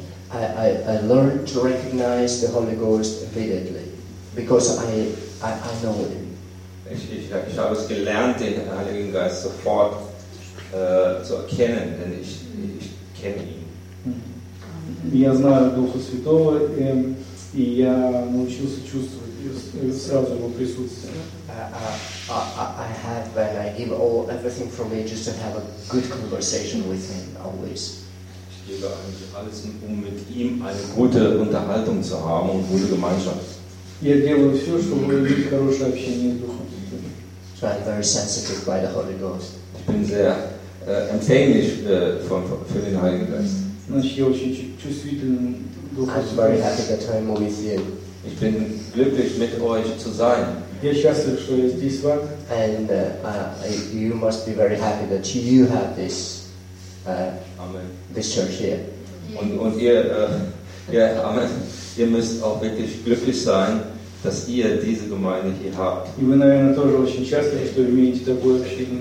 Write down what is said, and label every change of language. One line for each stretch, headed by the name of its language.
English: I learned to recognize the Holy Ghost immediately, because I know him.
German: Ich habe es gelernt, den Heiligen Geist sofort zu erkennen, denn ich kenne ihn.
Russian: Я знаю Духа Святого, и я научился чувствовать сразу его присутствие.
English: I have, when I give all everything for me, just to have a good conversation with him always.
German: Ich gebe eigentlich alles, um mit ihm eine gute Unterhaltung zu haben und gute Gemeinschaft.
Russian: Я делаю все, чтобы иметь хорошее общение с Духом.
English: So I'm very sensitive by the Holy Ghost.
German: Ich bin sehr empfänglich für den Heiligen Geist.
English: I'm very happy that I'm with you.
German: Ich bin glücklich, mit euch zu sein.
English: And you must be very happy that you have this this church here.
German: Und ihr, Amen. Ihr müsst auch wirklich glücklich sein, dass ihr diese Gemeinde hier habt.
Russian: И вы, наверное, тоже очень счастливы, что имеете такую общину.